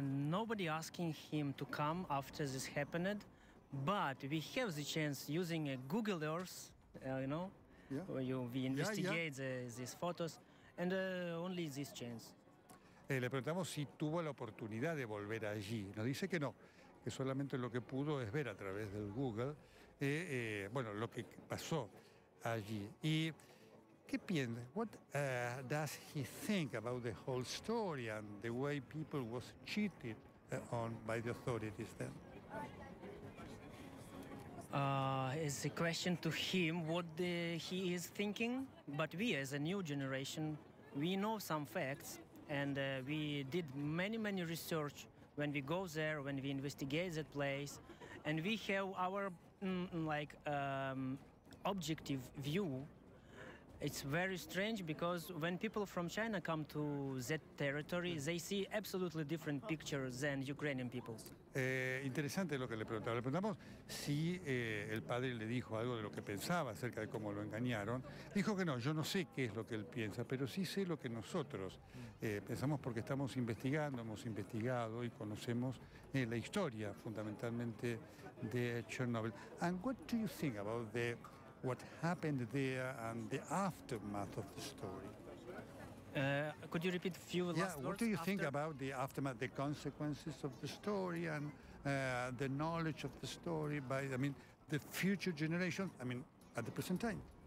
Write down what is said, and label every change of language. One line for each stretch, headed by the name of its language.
English: Nobody asking him to come after this happened, but we have the chance using Google Earth, you know, yeah. We investigate these photos, and only this chance.
Spanish: Le preguntamos si tuvo la oportunidad de volver allí. Nos dice que no. Que solamente lo que pudo es ver a través del Google, bueno, lo que pasó allí. ¿Y qué piensa?
English: What does he think about the whole story and the way people was cheated on by the authorities then? It's a question to him what he is thinking. But we, as a new generation, we know some facts and we did many research. When we go there, when we investigate that place, and we have our objective view, it's very strange because when people from China come to that territory, they see absolutely different picture than Ukrainian peoples.
Spanish: Interesante lo que le preguntaba. Le preguntamos si el padre le dijo algo de lo que pensaba acerca de cómo lo engañaron. Dijo que no, yo no sé qué es lo que él piensa, pero sí sé lo que nosotros pensamos porque estamos investigando, hemos investigado y conocemos la historia fundamentalmente de Chernobyl.
English: And what do you think about the what happened there and the aftermath of the story? Could you repeat a few last words? What do you think about the aftermath, the consequences of the story and the knowledge of the story by, I mean, the future generations, I mean, at the present time?